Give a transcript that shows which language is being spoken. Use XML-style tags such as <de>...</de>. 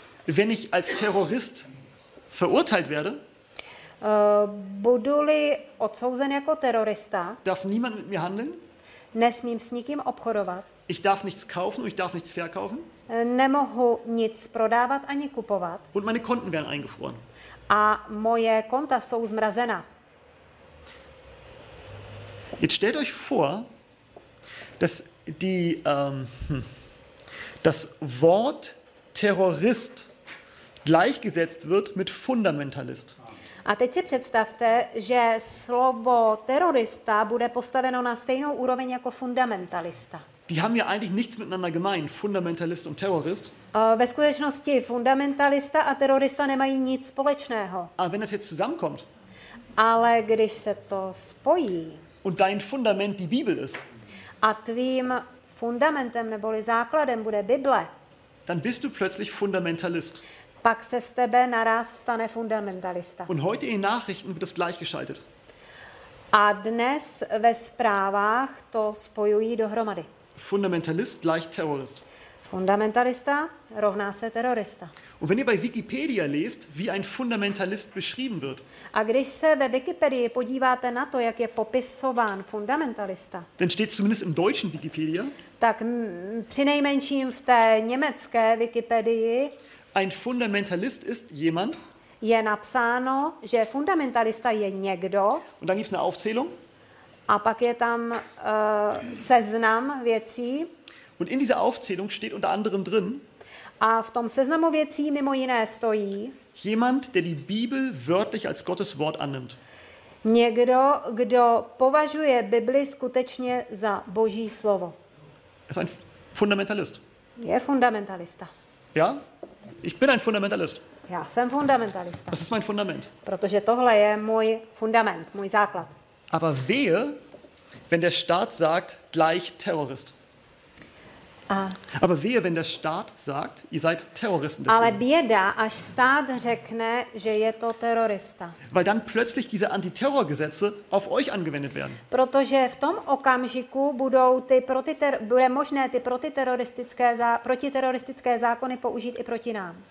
<de>Wenn ich als Terrorist verurteilt werde,</de> <cs>budu-li odsouzen jako terorista,</cs> <de>darf niemand mit mir handeln,</de> <cs>nesmím s nikým obchodovat,</cs> <de>ich darf nichts kaufen, ich darf nichts verkaufen,</de> <cs>nemohu nic prodávat ani kupovat,</cs> <de>und meine Konten werden eingefroren.</de> <cs>a moje konta jsou zmrazena.</cs> <de>Jetzt stellt euch vor, dass die das Wort Terrorist gleichgesetzt wird mit Fundamentalist.</de> <cs>A teď si představte, že slovo terorista bude postaveno na stejnou úroveň jako fundamentalista.</cs> <de>Die haben ja eigentlich nichts miteinander gemein, Fundamentalist und Terrorist.</de> <cs>Ve skutečnosti fundamentalista a terorista nemají nic společného.</cs> <de>A wenn das jetzt zusammenkommt?</de> <cs>Ale když se to spojí.</cs> <de>Und dein Fundament die Bibel ist.</de> <cs>A tvým fundamentem neboli základem bude Bible.</cs> <de>Dann bist du plötzlich Fundamentalist.</de> <cs>Pak se z tebe naraz stane fundamentalista.</cs> <de>Und heute in Nachrichten wird das gleichgeschaltet.</de> <cs>A dnes ve zprávách to spojují dohromady.</cs> <de>Fundamentalist gleich Terrorist.</de> <cs>Fundamentalista rovná se terorista.</cs> <de>Und wenn ihr bei Wikipedia lest, wie ein Fundamentalist beschrieben wird.</de> <cs>A když se ve Wikipedii podíváte na to, jak je popisován fundamentalista.</cs> <de>Dann steht zumindest im deutschen Wikipedia.</de> <cs>Tak přinejmenším v té německé Wikipedii.</cs> <de>Ein Fundamentalist ist jemand.</de> <cs>Je napsáno, že fundamentalista je někdo.</cs> <de>Und dann gibt's eine Aufzählung.</de> <cs>A pak je tam seznam věcí.</cs> <de>Und in dieser Aufzählung steht unter anderem drin.</de> <cs>A v tom seznamu věcí mimo jiné stojí.</cs> <de>Jemand, der die Bibel wörtlich als Gottes Wort annimmt.</de> <cs>Někdo, kdo považuje Bibli skutečně za Boží slovo.</cs> <de>Ist ein Fundamentalist.</de> <cs>Je fundamentalista.</cs> <de>Ja? Ich bin ein Fundamentalist.</de> <cs>Já jsem fundamentalista.</cs> <de>Das ist mein Fundament.</de> <cs>Protože tohle je můj fundament, můj základ.</cs> <de>Aber wehe, wenn der Staat sagt, gleich Terrorist. Aber wehe, wenn der Staat sagt, ihr seid Terroristen. Deswegen.</de> <cs>Ale běda, až stát řekne, že je to terorista.</cs> <de>Weil dann plötzlich diese Antiterrorgesetze auf euch angewendet werden.</de> <cs>Protože v tom okamžiku budou ty bude možné ty protiteroristické zákony použít i proti nám.</cs>